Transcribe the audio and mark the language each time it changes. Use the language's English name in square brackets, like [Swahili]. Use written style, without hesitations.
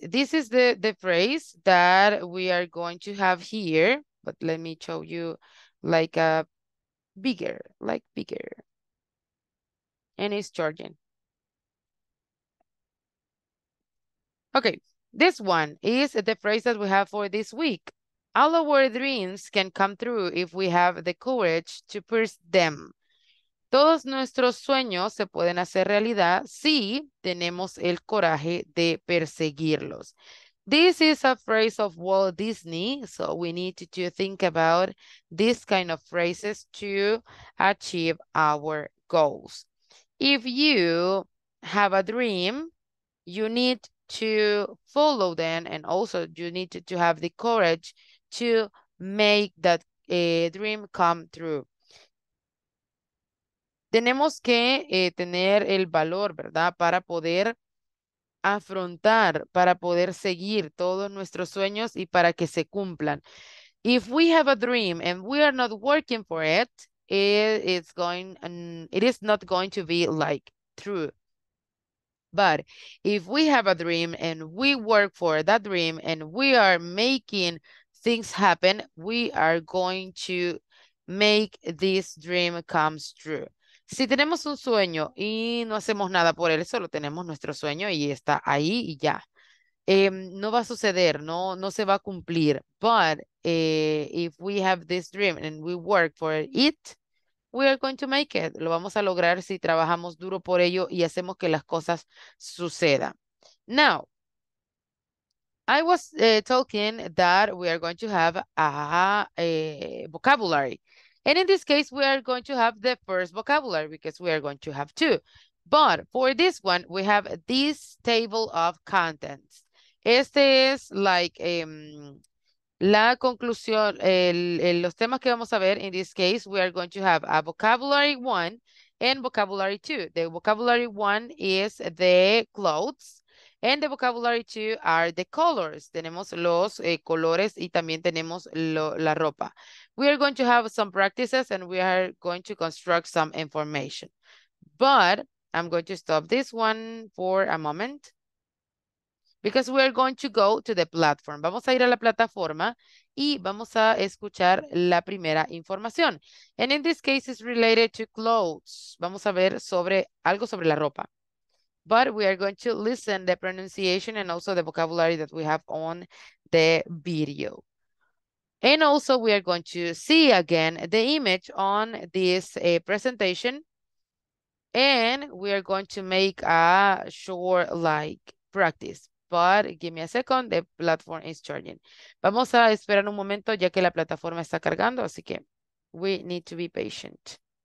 [English] This is the phrase that we are going to have here, but let me show you like a bigger, like bigger. And it's charging. Okay, this one is the phrase that we have for this week. All our dreams can come true if we have the courage to pursue them. [Spanish] Todos nuestros sueños se pueden hacer realidad si tenemos el coraje de perseguirlos. [English] This is a phrase of Walt Disney, so we need to think about this kind of phrases to achieve our goals. If you have a dream, you need to follow them, and also you need to have the courage to make that dream come true. [Spanish] Tenemos que tener el valor, ¿verdad? Para poder afrontar, para poder seguir todos nuestros sueños y para que se cumplan. [English] If we have a dream and we are not working for it, it is not going to be like true. But if we have a dream and we work for that dream and we are making things happen, we are going to make this dream comes true. [Spanish] Si tenemos un sueño y no hacemos nada por él, solo tenemos nuestro sueño y está ahí y ya. No va a suceder, no se va a cumplir. [English] But if we have this dream and we work for it, we are going to make it. [Spanish] Lo vamos a lograr si trabajamos duro por ello y hacemos que las cosas sucedan. [English] Now, I was talking that we are going to have a vocabulary. And in this case, we are going to have the first vocabulary because we are going to have two. But for this one, we have this table of contents. [Spanish] Este es like la conclusión, los temas que vamos a ver. [English] In this case, we are going to have a vocabulary one and vocabulary two. The vocabulary one is the clothes and the vocabulary two are the colors. [Spanish] Tenemos los colores y también tenemos la ropa. [English] We are going to have some practices and we are going to construct some information. But I'm going to stop this one for a moment because we are going to go to the platform. [Spanish] Vamos a ir a la plataforma y vamos a escuchar la primera información. [English] And in this case, it's related to clothes. [Spanish] Vamos a ver sobre algo sobre la ropa. [English] But we are going to listen the pronunciation and also the vocabulary that we have on the video. And also we are going to see again the image on this presentation. And we are going to make a short like practice. But give me a second, the platform is charging. [Spanish] Vamos a esperar un momento ya que la plataforma está cargando, así que [English] we need to be patient.